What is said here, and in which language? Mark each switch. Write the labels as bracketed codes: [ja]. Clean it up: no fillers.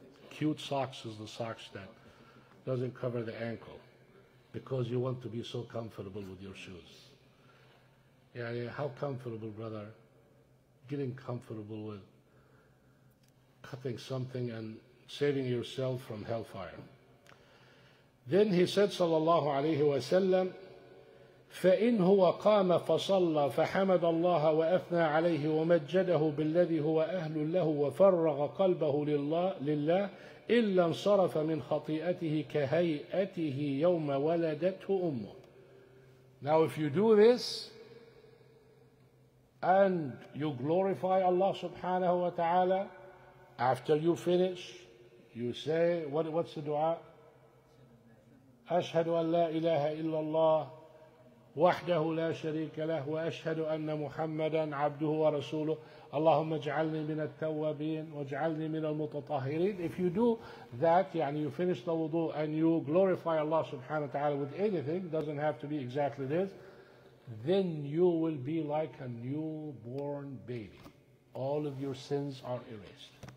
[en] Cute socks is the socks that doesn't cover the ankle, because you want to be so comfortable with your shoes. Yeah, how comfortable, brother? Getting comfortable with cutting something and saving yourself from hellfire. Then he said, [ar] صلى الله عليه وسلم, فإن هو قام فصلى فحمد الله وأثنى عليه ومجده بالذي هو أهل له وفرغ قلبه لله إلا انصرف من خطيئته كهيئته يوم ولدته أمه. [en] Now if you do this and you glorify Allah سبحانه وتعالى, after you finish, you say, what's the dua? [ar] أشهد أن لا إله إلا الله وحده لا شريك له وأشهد أن محمدا عبده ورسوله اللهم اجعلني من التوابين واجعلني من المتطهرين. [en] If you do that, يعني you finish the wudu and you glorify Allah subhanahu wa ta'ala with anything, doesn't have to be exactly this, then you will be like a newborn baby. All of your sins are erased.